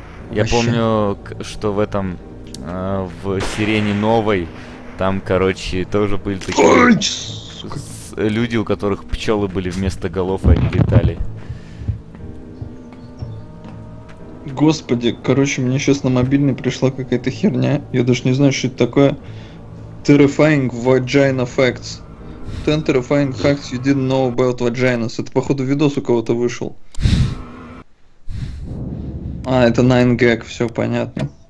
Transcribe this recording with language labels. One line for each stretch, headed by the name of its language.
Russian: Я помню, что в этом, в сирене новой, там, короче, тоже были такие люди, у которых пчелы были вместо голов, и они летали. Господи, короче, мне сейчас на мобильный пришла какая-то херня. Я даже не знаю, что это такое.
English: Terrifying Vagina Facts. 10 terrifying facts you didn't know about vaginas.
Russian: Это, походу, видос у кого-то вышел. А, это 9gag, все понятно.